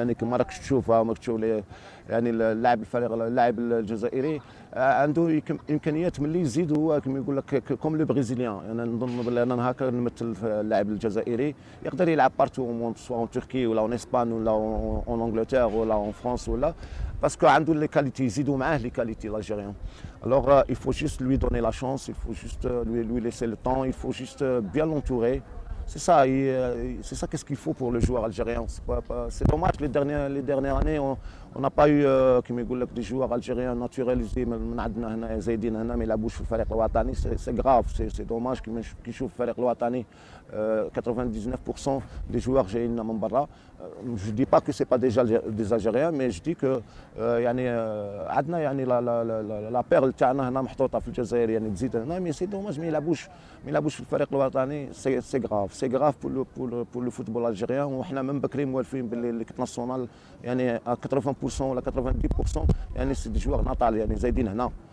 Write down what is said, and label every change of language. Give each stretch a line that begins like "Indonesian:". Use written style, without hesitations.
Arabic: يعني كما راك تشوف راك تشوف يعني اللاعب الفريق اللاعب الجزائري عنده امكانيات ملي يزيد هو كما يقول لك
French: كوم لو بريزيليان.
Arabic: انا نظن بلي انا هكا نمثل اللاعب الجزائري يقدر يلعب
French: بارتو موند،
Arabic: سواء في تركيا ولا في اسبان ولا في انجلترا ولا في فرنسا ولا،
French: باسكو
Arabic: عنده لي كاليتي يزيدوا معاه
French: لي كاليتي الجيريان. الوغ il faut juste lui donner la chance, il faut juste lui laisser le temps, il faut juste bien l'entourer. C'est ça qu'est-ce qu'il faut pour le joueur algérien. C'est dommage les dernières années on n'a pas eu comme
Arabic: يقول لك
French: des joueurs algériens naturalisés
Arabic: من عندنا هنا زايدين هنا ما يلعبوش في الفريق الوطني.
French: C'est grave, c'est dommage que qui joue au Fariq Louatani 99% des joueurs
Arabic: جايين من برا.
French: Je dis pas que c'est pas des algériens, mais je dis que
Arabic: يعني عندنا يعني
French: la perle
Arabic: تاعنا هنا محطوطه في الجزائر يعني تزيد هنا،
French: مي سي دوماج
Arabic: ما يلعبوش في الفريق الوطني.
French: سي غراف، سي غراف بور لو فوتبول الجيريان.
Arabic: وحنا من بكري موالفين باللي ناسيونال يعني 80% ولا 90% يعني
French: سي دي جوار ناتال
Arabic: يعني زايدين هنا.